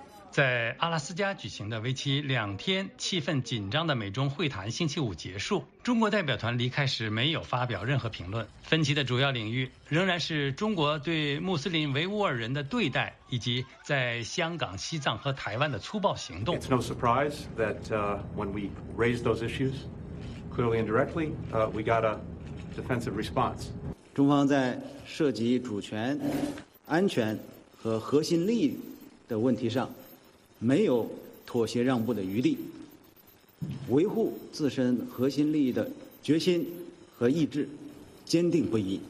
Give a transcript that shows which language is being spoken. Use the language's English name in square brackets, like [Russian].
[Chinese] 在阿拉斯加举行的为期2天、气氛紧张的美中会谈星期五结束，中国代表团离开时没有发表任何评论。分歧的主要领域仍然是中国对穆斯林维吾尔人的对待，以及在香港、西藏和台湾的粗暴行动。 [English] It's no surprise that when we raised those issues clearly and directly, we got a defensive response. [Chinese] 中方在涉及主权、安全和核心利益的问题上没有妥协让步的余地，维护自身核心利益的决心和意志坚定不移。